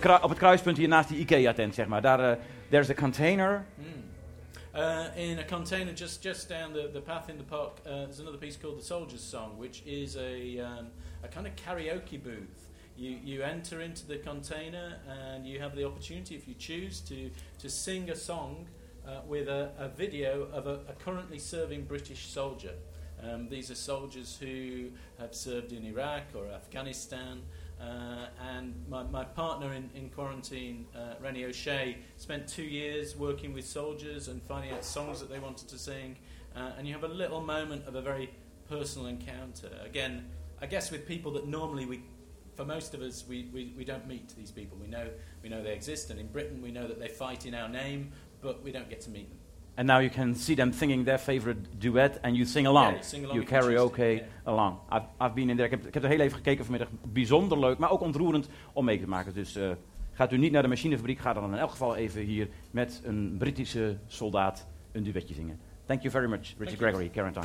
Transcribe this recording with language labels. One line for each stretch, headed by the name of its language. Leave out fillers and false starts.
Dutch: Op het kruispunt hier naast die IKEA tent, zeg maar. Daar,
English: there's a container. Mm. In a container just down the path in the park, there's another piece called The Soldier's Song, which is a kind of karaoke booth. You enter into the container and you have the opportunity, if you choose, to sing a song with a video of a currently serving British soldier. These are soldiers who have served in Iraq or Afghanistan. And my partner in quarantine, Rennie O'Shea, spent 2 years working with soldiers and finding out songs that they wanted to sing. And you have a little moment of a very personal encounter. Again, I guess with people that normally for most of us, we don't meet these people. We know they exist, and in Britain we know that they fight in our name, but we don't get to meet them. And now you can see them singing their favorite duet and you sing along. Yeah, sing along. You karaoke along. I've been in there.
Dutch: Ik heb er heel even gekeken vanmiddag. Bijzonder leuk, maar ook ontroerend om mee te maken. Dus gaat u niet naar de machinefabriek, ga dan in elk geval even hier met een Britse soldaat een duetje zingen.
English: Thank you very much,
Dutch: Richard Gregory, Quarantine.